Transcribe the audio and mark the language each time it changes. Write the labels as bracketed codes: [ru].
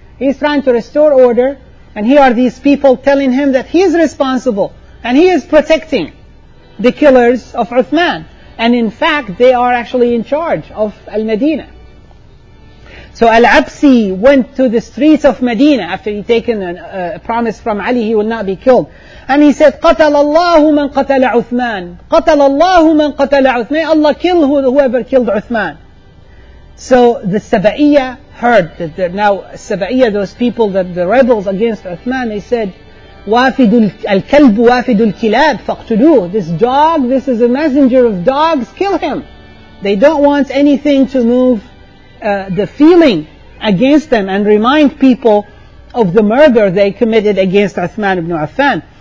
[en] He's trying to restore order, and here are these people telling him that he is responsible, and he is protecting the killers of Uthman. And in fact, they are actually in charge of Al-Madina. So Al-Absi went to the streets of Medina after he'd taken a promise from Ali he will not be killed. And he said, [ar] قَتَلَ اللَّهُ مَنْ قَتَلَ عُثْمَان [en] قَتَلَ اللَّهُ مَنْ قَتَلَ عُثْمَان May Allah kill whoever killed Uthman. So the Saba'iyya heard that now Saba'iyya, those people, that the rebels against Uthman, they said, [ar] وَافِدُ الْكَلْبُ وَافِدُ الْكِلَابِ فَاقْتُلُوهُ [en] This dog, this is a messenger of dogs, kill him. They don't want anything to move the feeling against them and remind people of the murder they committed against Uthman ibn Affan.